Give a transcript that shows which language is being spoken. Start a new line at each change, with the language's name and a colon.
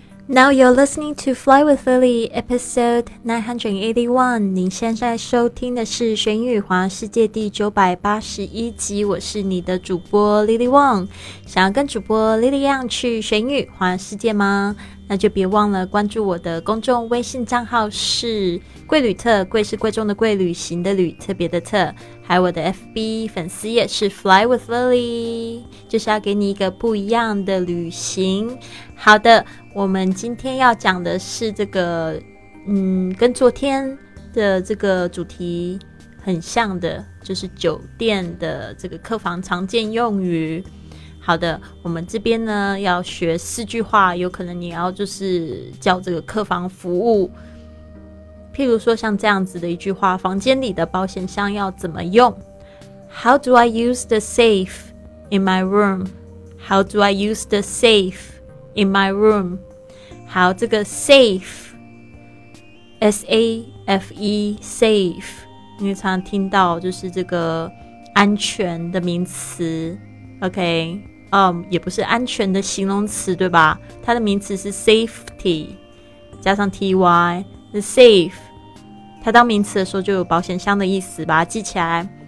English: Now you're listening to Fly with Lily, episode 981.
Chinese: 您现在收听的是《玄宇华世界》第981集。我是你的主播 Lily Wang。想要跟主播 Lily Yang 去玄宇华世界吗？那就别忘了关注我的公众微信账号是贵旅特，贵是贵重的贵，旅行的旅，特别的特。还有我的 FB 粉丝页是 Fly with Lily， 就是要给你一个不一样的旅行。好的，我们今天要讲的是这个，跟昨天的这个主题很像的，就是酒店的这个客房常见用语。好的，我们这边呢要学四句话，有可能你要就是叫这个客房服务，譬如说像这样子的一句话，房间里的保险箱要怎么用？
English: How do I use the safe in my room? How do I use the safe in my room?
Chinese: 好，这个 safe S-A-F-E safe， 你常常听到就是这个安全的名词， OK，也不是安全的形容词，对吧？它的名词是 safety 加上 ty， the safe， 它当名词的时候就有保险箱的意思，把它记起来。